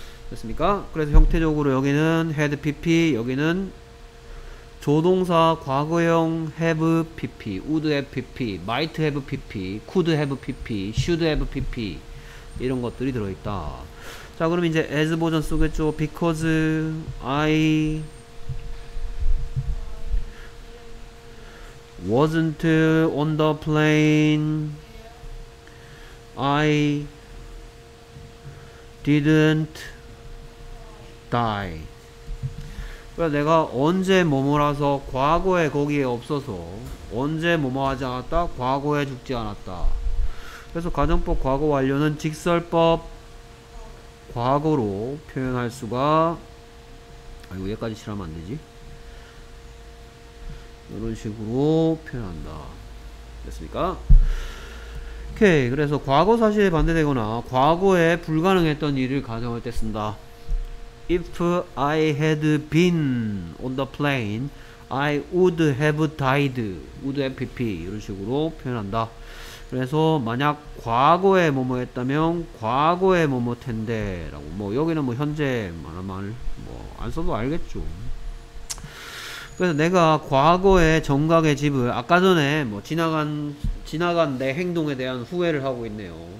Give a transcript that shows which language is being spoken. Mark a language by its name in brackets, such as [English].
[Korean] 됐습니까? 그래서 형태적으로 여기는 had pp 여기는 조동사 과거형 have pp would have pp might have pp could have pp should have pp 이런 것들이 들어있다. 자 그럼 이제 as 버전 쓰겠죠. [English] because I wasn't on the plane I didn't die. [Korean] 그러니까 내가 언제 뭐뭐라서 과거에 거기에 없어서 언제 뭐뭐 하지 않았다 과거에 죽지 않았다. 그래서 가정법 과거 완료는 직설법 과거로 표현할 수가 아이고 얘까지 실하면 안되지 이런 식으로 표현한다. 됐습니까? 오케이. 그래서 과거 사실에 반대되거나 과거에 불가능했던 일을 가정할 때 쓴다. [English] If I had been on the plane, I would have died. [Korean] Would have pp 이런 식으로 표현한다. 그래서 만약 과거에 뭐뭐 했다면 과거에 뭐뭐 텐데라고. 뭐 여기는 뭐 현재 말하면 뭐 안 써도 알겠죠. 그래서 내가 과거에 정각의 집을 아까 전에 뭐 지나간 내 행동에 대한 후회를 하고 있네요.